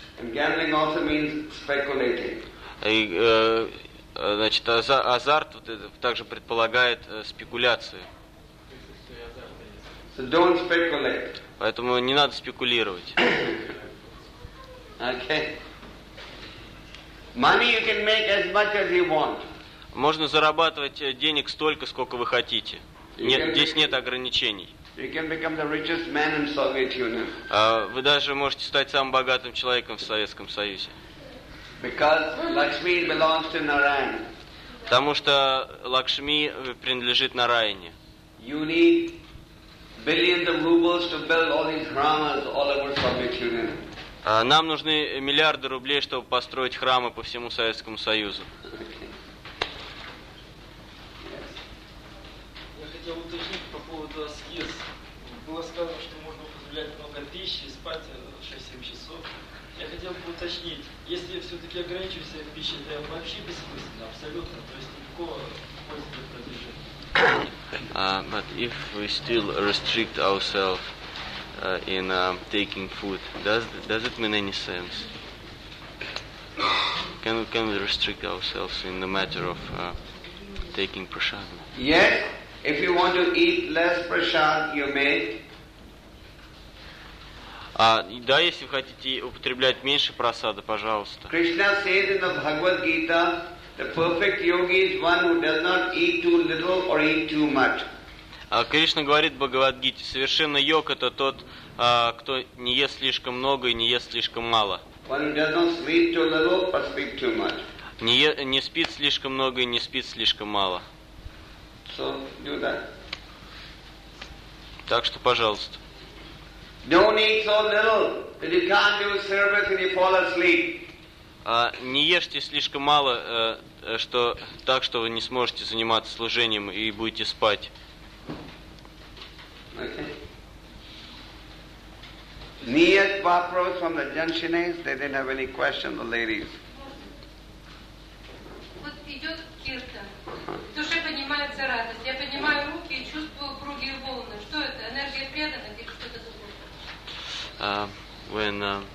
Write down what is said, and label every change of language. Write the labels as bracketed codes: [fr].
[en] And gambling also means speculating. [ru] Значит, азарт также предполагает спекуляцию. [en] So don't speculate. [ru] Поэтому не надо спекулировать. [en] Okay. Money you can make as much as you want. [ru] Можно зарабатывать денег столько, сколько вы хотите. Нет ограничений. [en] You can become the richest man in Soviet Union. [ru] Вы даже можете стать самым богатым человеком в Советском Союзе. [en] Because Lakshmi belongs to Narayan. [ru] Потому что Лакшми принадлежит Нараяне. [en] You need billions of rubles to build all these Brahmas all over Soviet Union. [ru] Нам нужны миллиарды рублей, чтобы построить храмы по всему Советскому Союзу. [en] Okay. [ru] Yes. Я хотел уточнить по поводу аскез. Было сказано, что можно употреблять много пищи, спать 6-7 часов. Я хотел бы уточнить, если я все-таки ограничиваю себя пищей, это вообще бессмысленно, абсолютно. То есть никакого пользы для продвижения. [en] But if we still restrict ourselves in taking food, does it mean any sense? Can we restrict ourselves in the matter of taking prasad? Yes, if you want to eat less prasad, you may. [ru] Да, если вы хотите употреблять меньше прасада, пожалуйста. [en] Krishna says in the Bhagavad Gita, the perfect yogi is one who does not eat too little or eat too much. [ru] Кришна говорит в Бхагавад-гите, совершенный йог – это тот, кто не ест слишком много и не ест слишком мало. Не спит слишком много и не спит слишком мало. [en] So, do that. [ru] Так что, пожалуйста. [en] Don't eat so little that you can't do service and you fall asleep. [ru] Не ешьте слишком мало, что так, что вы не сможете заниматься служением и будете спать. Niyat Vapros [en] from the Janshinis, they didn't have any questions, the ladies. [ru] Вот идет киртан. В душе поднимается радость. Я поднимаю руки и чувствую круги и волны. Что это? Энергия преданных или что-то другое?